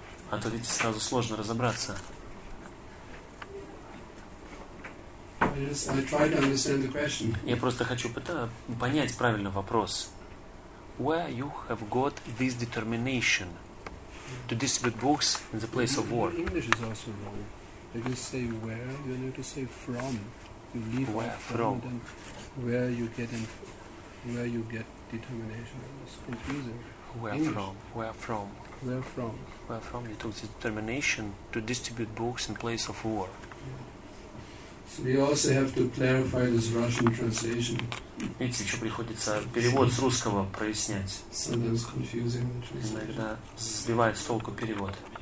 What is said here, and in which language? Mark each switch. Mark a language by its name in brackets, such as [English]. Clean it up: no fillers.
[Russian] А то, видите, сразу сложно разобраться. [English] I try to understand the question. [Russian] Я просто хочу понять правильно вопрос. [English] Where you have got this determination to distribute books in the place of war? English is also wrong. If you say where, you need to say from. You leave where from, then where you get in, where you get determination. It's confusing. Where English. From? Where from? Where from? Where from? You took the determination to distribute books in place of war. We also have to clarify this Russian translation. [Russian] Видите, еще приходится перевод с русского прояснять. [English] Sometimes confusing translation. [Russian] Иногда сбивает с толку перевод.